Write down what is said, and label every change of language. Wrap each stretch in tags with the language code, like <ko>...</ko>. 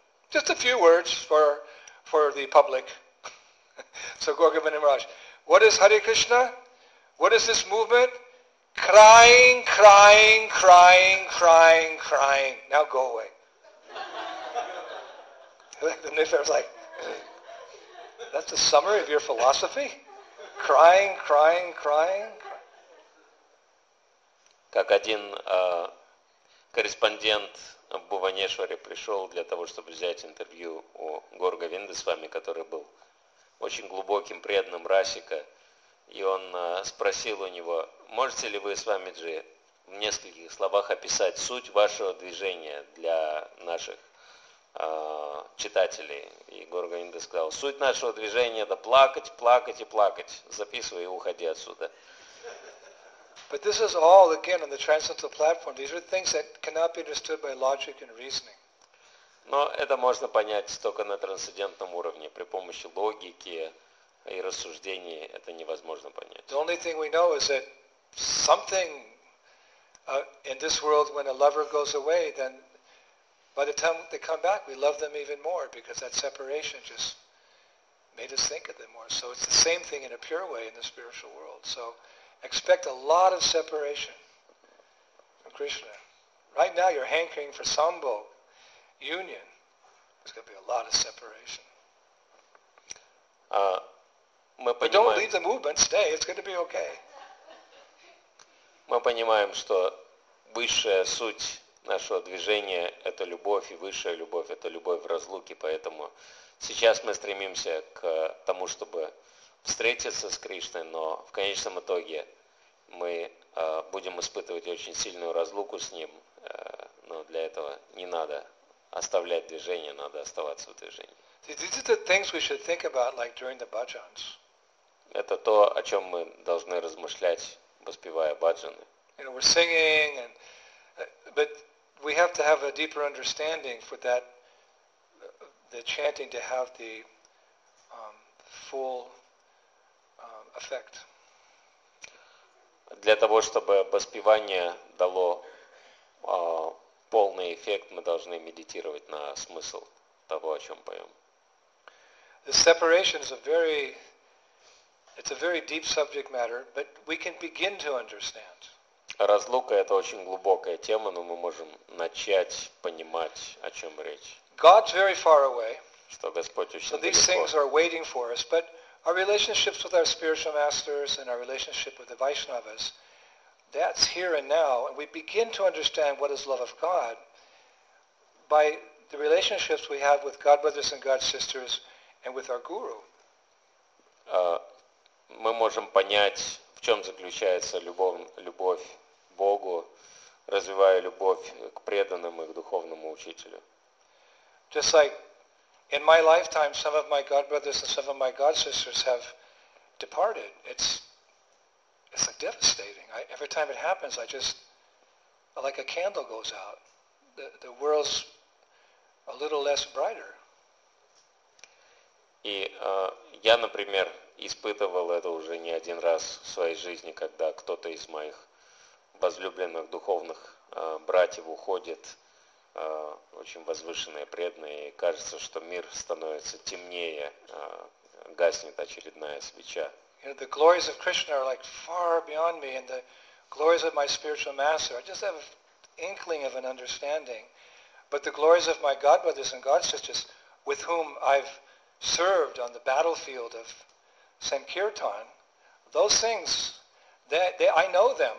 <en>Just a few words for the public." So Gaura Govinda Maharaj, what is Hare Krishna? What is this movement? Crying, crying, crying, crying, crying. Now go away. The Nithar was like, that's the summary of your philosophy? Crying, crying, crying.</en> <ru>Как один корреспондент в Бхубанешваре пришел для того, чтобы взять интервью у Гаура Говинды с вами, который был очень глубоким преданным Расика, и он спросил у него, можете ли вы, Свамиджи, в нескольких словах описать суть вашего движения для наших читателей. И Гаура Говинда сказал, суть нашего движения — это плакать, плакать и плакать. Записывай и уходи отсюда.</ru> <en>But this is all, again, on the transcendental platform. These are things that cannot be understood by logic and reasoning.</en> <ru>Но это можно понять только на трансцендентном уровне. При помощи логики и рассуждений это невозможно понять.</ru> <en>The only thing we know is that something in this world, when a lover goes away, then by the time they come back, we love them even more, because that separation just made us think of them more. So it's the same thing in a pure way in the spiritual world. So expect a lot of separation from Krishna. Right now you're hankering for sambho, union. There's going to be a lot of separation. But don't leave the movement, stay. It's going to be okay.</en> <ru>Мы понимаем, что высшая суть нашего движения – это любовь, и высшая любовь – это любовь в разлуке. Поэтому сейчас мы стремимся к тому, чтобы встретиться с Кришной, но в конечном итоге мы будем испытывать очень сильную разлуку с Ним. Но для этого не надо оставлять движение, надо оставаться в движении.</ru> <en>See, these are the things we should think about, like during the bhajans.</en> <ru>Это то, о чем мы должны размышлять, воспевая бхаджаны.</ru> <en>You know, we're singing, and, but we have to have a deeper understanding for that, the chanting to have the full effect.</en> <ru>Для того, чтобы воспевание дало полный эффект, мы должны медитировать на смысл того, о чем поем.</ru> <en>The separation is a very deep subject matter, but we can begin to understand.</en> <ru>Разлука – это очень глубокая тема, но мы можем начать понимать, о чем речь.</ru> <en>God's very far away.</en> <ru>Что Господь очень далеко.</ru> <en>So these things are waiting for us, but our relationships with our spiritual masters and our relationship with the Vaishnavas, that's here and now, and we begin to understand what is love of God by the relationships we have with God brothers and God sisters and with our guru.</en> <ru>Мы можем понять, в чем заключается любовь Богу, развивая любовь к преданным и к духовному учителю.</ru> <en>Just like in my lifetime, some of my God brothers and some of my God sisters have departed. It's like devastating. Every time it happens, I just, like a candle goes out. the world's a little less brighter.</en> <ru>И я, например, испытывал это уже не один раз в своей жизни, когда кто-то из моих возлюбленных духовных братьев уходит, очень возвышенные, преданные, и кажется, что мир становится темнее, гаснет очередная свеча.</ru> <en>You know, the glories of Krishna are like far beyond me, and the glories of my spiritual master, I just have an inkling of an understanding. But the glories of my godbrothers and godsisters, with whom I've served on the battlefield of Sankirtan, those things, I know them.</en>